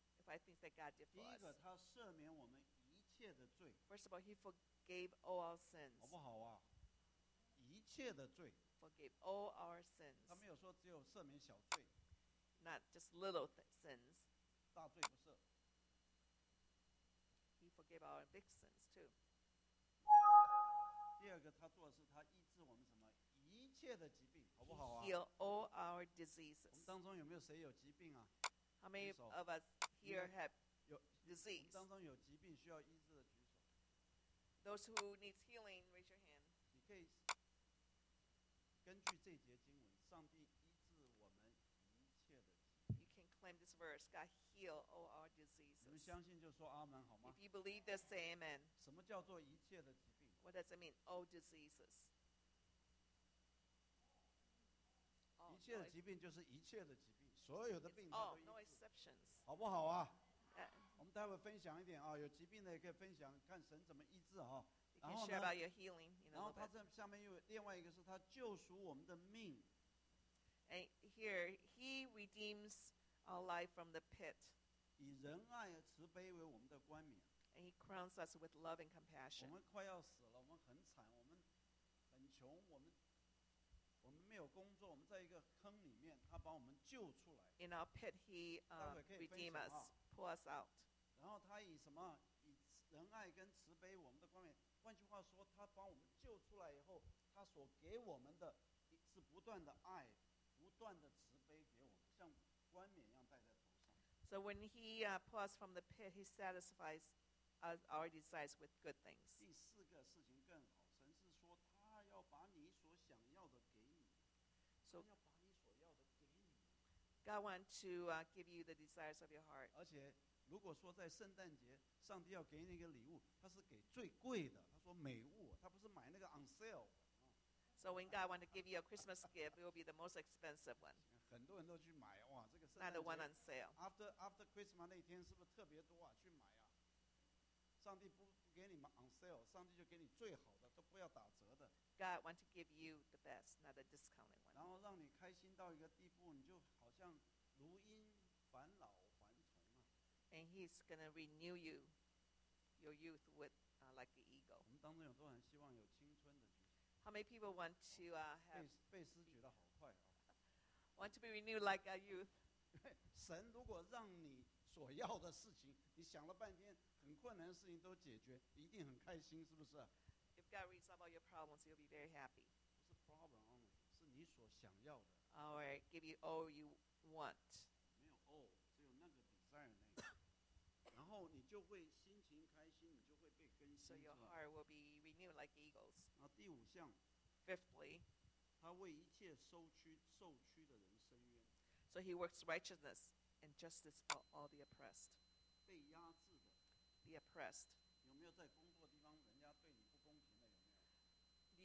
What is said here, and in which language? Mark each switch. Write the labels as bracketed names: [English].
[English] Five things that God did for us. First of all, he forgave all our sins. [Chinese] 好不好啊？一切的罪。 [English] Forgave all our sins. [Chinese] 他没有说只有赦免小罪。 [English] Not just little sins. [Chinese] 大罪不赦。 [English] He forgave our big sins too. [Chinese] 第二个他做的是他医治我们什么一切的疾病，好不好啊？ [English] He healed all our diseases. [Chinese] 我们当中有没有谁有疾病啊？ [English] How many of us here have disease? [Chinese] 我们当中有疾病需要医治的举手。 [English] Those who need healing, raise your hand. [Chinese] 你可以根据这节经文，上帝医治我们一切的。 [English] You can claim this verse, God heal all our diseases. [Chinese] 你们相信就说阿门好吗 [English] ？If you believe this, say amen. [Chinese] 什么叫做一切的疾病 [English] ？What does it mean? All diseases. [Chinese] 一切的疾病就是一切的疾病，所有的病都 [English] 医治。Oh, no exceptions. [Chinese] 好不好啊？我们待会分享一点啊，有疾病的也可以分享，看神怎么医治啊。 [English] You can share about your healing, you know, [Chinese] 然后他这下面又另外一个是他救赎我们的命。 [English] And here he redeems our life from the pit. [Chinese] 以仁爱和慈悲为我们的冠冕。 [English] And he crowns us with love and compassion. [Chinese] 我们快要死了，我们很惨，我们很穷，我们没有工作，我们在一个坑里面，他把我们救出来。 [English] In our pit, he redeems us, pull us out. [Chinese] 然后他以什么以仁爱跟慈悲我们的冠冕。换句话说，他把我们救出来以后，他所给我们的是不断的爱，不断的慈悲给我们，像冠冕一样戴在头上。 [English] So when he pulls from the pit, he satisfies our desires with good things. [Chinese] 第四个事情更好，神是说他要把你所想要的给你，所以要把你所要的给你。 [English] God wants to give you the desires of your heart. [Chinese] 而且如果说在圣诞节上帝要给你一个礼物，他是给最贵的，他说美物，他不是买那个 [English] on sale。 So when God wants to give you a Christmas gift, it will be the most expensive one. [Chinese] 很多人都去买，哇，这个 [English] 圣诞节 not the one on sale. After Christmas [Chinese] 那天是不是特别多啊，去买啊。上帝 不给你 [English] on sale, [Chinese] 上帝就给你最好的，都不要打折的。 [English] God wants to give you the best, not the discounted one. [Chinese] 然后让你开心到一个地步，你就好像如因返老。 [English] And he's going to renew you, your youth, with, like the eagle. [Chinese] We 当中有多少人希望有青春的举手 [English] How many people want to have? [Chinese] 贝斯举得好快啊 [English] Want to be renewed like a youth? [Chinese] 神如果让你所要的事情，你想了半天，很困难的事情都解决，一定很开心，是不是 [English] ？If God resolves all your problems, you'll be very happy. [Chinese] 不是 [English] problem only, [Chinese] 是你所想要的。 [English] All right, give you all you want. [Chinese] 没有 all, 只有那个 desire 那个。然后你就会心情开心，你就会被更新。 [English] So your heart will be renewed like eagles. [Chinese] 那第五项 [English] ，Fifthly， [Chinese] 他为一切受屈的人伸冤。 [English] So he works righteousness and justice for all the oppressed. [Chinese] 被压制的 [English] ，the oppressed. [Chinese] 有没有在工作地方人家对你不公平的？有没有